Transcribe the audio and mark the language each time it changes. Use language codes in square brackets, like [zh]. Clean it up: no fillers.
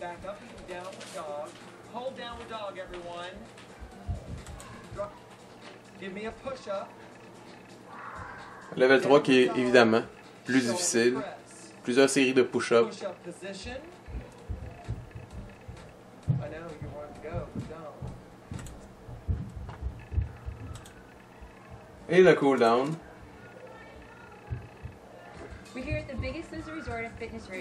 [en] Drive back up and down with dog. Hold down with dog, everyone. Drop. Give me a push-up. [fr] Level 3 qui est évidemment plus difficile. Plusieurs séries de push-up. [en] Push-up position. I know you want to go, but don't. [fr] Et le cool-down. [en] We're here at the biggest loser resort of fitness radio.